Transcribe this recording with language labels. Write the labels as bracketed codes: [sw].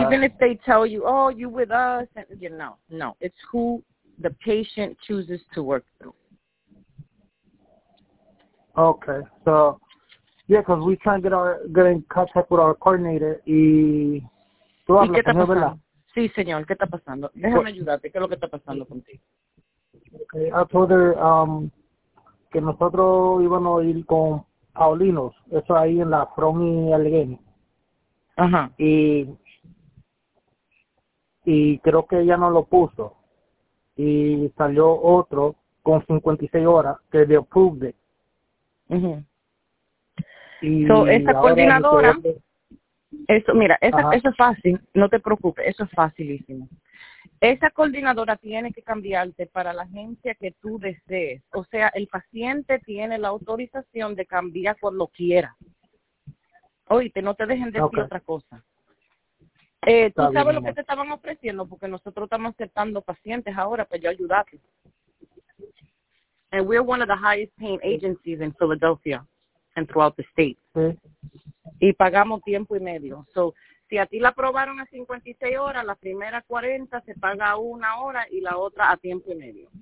[en] Even if they tell you, oh, you with us. And, you know, no. It's who the patient chooses to work through. Okay, so, yeah, because we try to get in contact with our coordinator y... [es] ¿Y qué está pasando? Sí, señor, ¿qué está pasando? Déjame ayudarte, ¿qué es lo que está pasando contigo? [en] Okay, I told her [es] que nosotros íbamos a ir con Paulinos, eso ahí en la Front y Allegheny. Ajá. Y creo que ella no lo puso. Y salió otro con 56 horas que de approved it. So, esa coordinadora, eso, mira, eso es fácil, no te preocupes, eso es facilísimo. Esa coordinadora tiene que cambiarte para la agencia que tú desees. O sea, el paciente tiene la autorización de cambiar cuando quiera. Oíste, no te dejen decir otra cosa. ¿Tú sabes lo que te estaban ofreciendo? Porque nosotros estamos aceptando pacientes ahora para yo ayudarte. [en] And we're one of the highest paying agencies in Philadelphia and throughout the state. [es] Sí. Y pagamos tiempo y medio. So, si a ti la aprobaron a 56 horas, la primera 40 se paga una hora y la otra a tiempo y medio.